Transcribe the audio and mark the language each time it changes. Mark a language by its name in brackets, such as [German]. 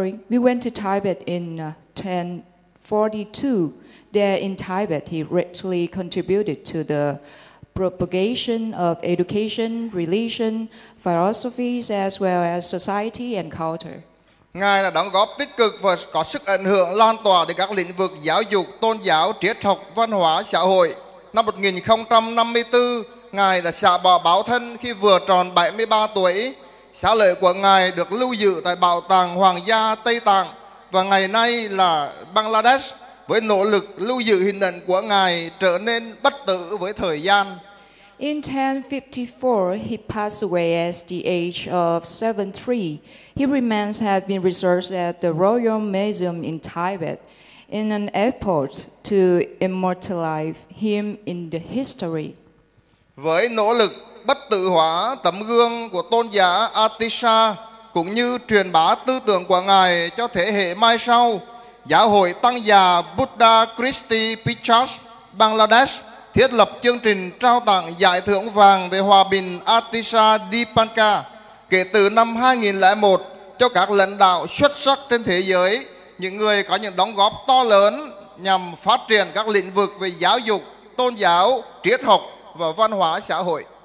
[English] We went to Tibet in 1042. There in Tibet, he greatly contributed to the propagation of education, religion, philosophies, as well as society and culture. [Vietnamese] Ngài đã đóng góp tích cực và có sức ảnh hưởng lan tỏa đến các lĩnh vực giáo dục, tôn giáo, triết học, văn hóa, xã hội. Năm 1054, Ngài đã xả bỏ báo thân khi vừa tròn 73 tuổi. Xá lợi của Ngài được lưu giữ tại Bảo tàng Hoàng gia Tây Tạng và ngày nay là Bangladesh, với nỗ lực lưu giữ hình ảnh của Ngài trở nên bất tử với thời gian. [English] In 1054, he passed away at the age of 73. His remains have been reserved at the Royal Museum in Tibet in an effort to immortalize him in the history. [Vietnamese] Với nỗ lực bất tử hóa tấm gương của tôn giả Atisha cũng như truyền bá tư tưởng của ngài cho thế hệ mai sau, Giáo hội Tăng già Buddha Christi Pichas Bangladesh thiết lập chương trình trao tặng giải thưởng vàng về hòa bình Atisha Dipanka kể từ năm 2001 cho các lãnh đạo xuất sắc trên thế giới, những người có những đóng góp to lớn nhằm phát triển các lĩnh vực về giáo dục, tôn giáo, triết học và văn hóa xã hội.